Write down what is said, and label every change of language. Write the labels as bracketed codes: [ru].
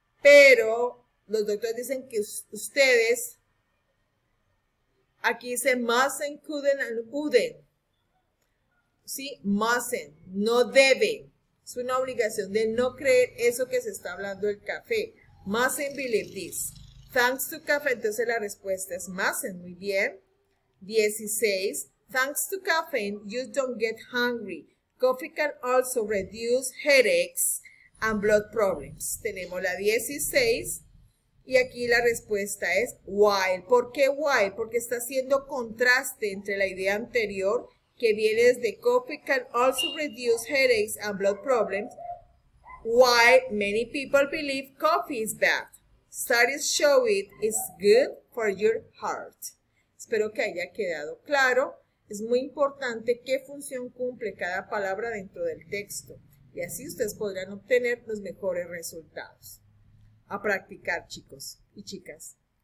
[es] Pero los doctores dicen que ustedes, aquí dice [en] mustn't, couldn't, and wouldn't. [es] ¿Sí? Mustn't, no deben. Es una obligación de no creer eso que se está hablando del café. [en] Mustn't believe this. Thanks to café, [es] entonces la respuesta es mustn't, muy bien. [en] 16, thanks to caffeine, you don't get hungry. Coffee can also reduce headaches and blood problems. [es] Tenemos la 16 y aquí la respuesta es while. ¿Por qué while? Porque está haciendo contraste entre la idea anterior que viene desde [en] coffee can also reduce headaches and blood problems. Why many people believe coffee is bad. Studies show it is good for your heart. [es] Espero que haya quedado claro. Es muy importante qué función cumple cada palabra dentro del texto. Y así ustedes podrán obtener los mejores resultados. A practicar, chicos y chicas.